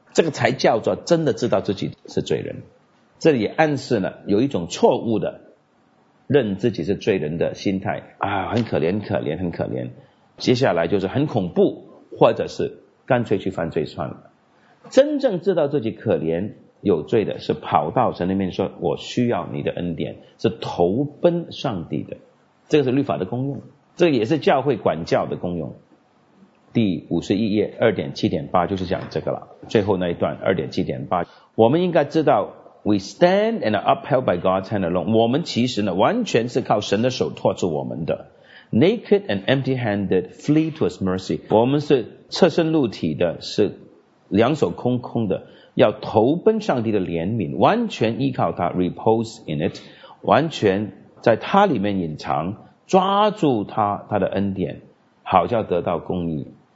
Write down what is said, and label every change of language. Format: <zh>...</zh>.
<zh>这个才叫做真的知道自己是罪人。这里暗示了有一种错误的认自己是罪人的心态啊，很可怜可怜很可怜，接下来就是很恐怖，或者是干脆去犯罪算了。真正知道自己可怜有罪的是跑到神那边说，我需要你的恩典，是投奔上帝的。这个是律法的功用，这个也是教会管教的功用。第51页 2.7.8 就是讲这个了。最后那一段 2.7.8 我们应该知道</zh> <en>We stand and are upheld by God's hand alone.</en> <zh>我们其实呢，完全是靠神的手托住我们的。</zh> <en>Naked and empty-handed, flee to His mercy.</en> <zh>我们是赤身露体的，是两手空空的，要投奔上帝的怜悯，完全依靠他 ，</zh> <en>repose in it，</en> <zh>完全在他里面隐藏，抓住他的恩典，好叫得到公义。</zh>